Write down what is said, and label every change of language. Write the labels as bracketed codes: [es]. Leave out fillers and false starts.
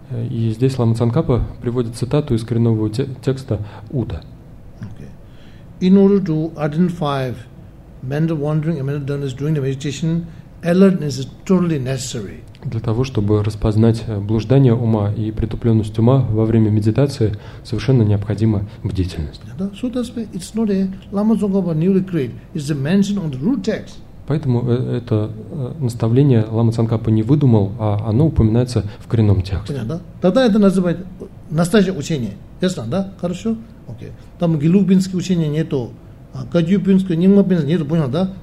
[ru] И здесь Лама Цанкапа приводит цитату из коренного текста Ута. [en] In order to identify mental wandering and mental dullness during the meditation, alertness is totally necessary. [ru] Для того, чтобы распознать блуждание ума и притупленность ума во время медитации, совершенно необходима бдительность. [en] Да, so that's why it's not a Lama Tsongkhapa newly created. It's mentioned on the root text. [ru] Поэтому это наставление Лама Цанкапа не выдумал, а оно упоминается в коренном тексте. Понятно, да? Тогда это называют настоящее учение. Ясно, да? Хорошо? Окей. Там Гелугбинское учение нету, Кадьюбинское, Нингмабинское нету, понял, да?